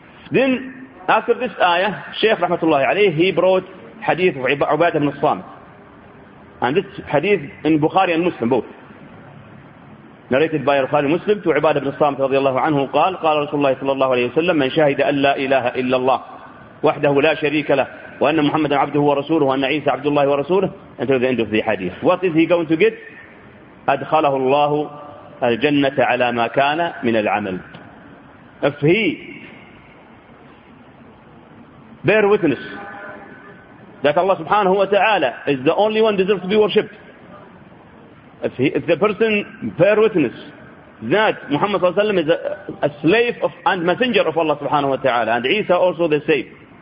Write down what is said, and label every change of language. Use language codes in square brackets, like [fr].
[en] Then after this ayah, Shaykh rahmatullahi alayhi, he brought hadith of Ubadah ibn al-Samit. And this hadith in Bukhari and Muslim both. Narrated by Al-Bukhari Muslim to Ubadah ibn al-Samit [ar] رضي الله عنه قال قال رسول الله صلى الله عليه وسلم من شهد أن لا إله إلا الله وحده لا شريك له وأن محمد عبده ورسوله وأن عيسى عبد الله ورسوله [en] until the end of the hadith. What is he going to get? [ar] أدخله الله الجنة على ما كان من العمل. [en] If he bear witness that Allah subhanahu wa ta'ala is the only one deserves to be worshipped, If the person bear witness that Muhammad sallallahu alayhi wa sallam is a slave of and messenger of Allah subhanahu wa ta'ala, and Isa also the same.